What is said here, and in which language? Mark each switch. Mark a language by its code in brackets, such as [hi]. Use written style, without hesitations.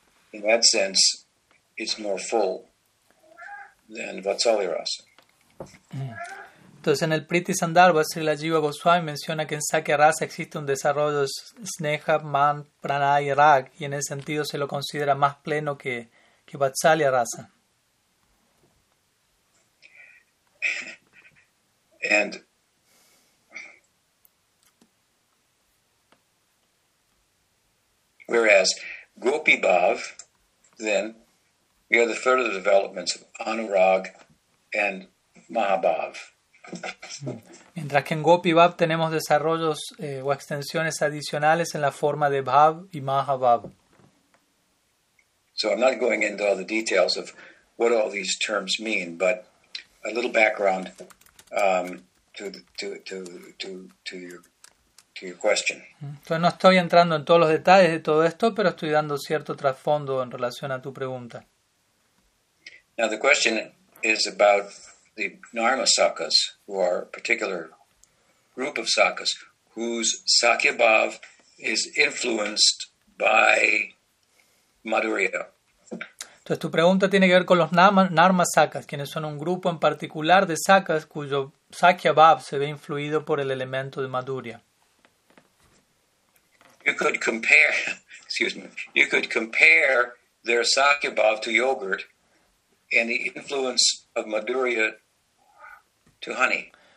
[en] In that sense, it's more full than Vatsali Rasa. [es] Entonces, en el Preetisandarbha, Srila Jiva Goswami menciona que en Sakya Rasa existe un desarrollo de sneha, man, pranay y rag, y en ese sentido se lo considera más pleno que Vatsali Rasa. [en] And whereas Gopi Bhav, then, we have the further developments of Anurag and Mahabhav. [es] Mientras que en Gopi Bhav tenemos desarrollos o extensiones adicionales en la forma de Bhav y Mahabhav. [en] So I'm not going into all the details of what all these terms mean, but a little background to your question. [es] Entonces no estoy entrando en todos los detalles de todo esto, pero estoy dando cierto trasfondo en relación a tu pregunta. [en] Now the question is about the Narma Sakas, who are a particular group of Sakas, whose Sakya Bhav is influenced by Madhurya. [es] Entonces tu pregunta tiene que ver con los Narma Sakas, quienes son un grupo en particular de Sakas cuyo Sakya Bhav se ve influido por el elemento de Madhurya. [en] You could compare their Sakya Bhav to yogurt and the influence of Madhurya to honey.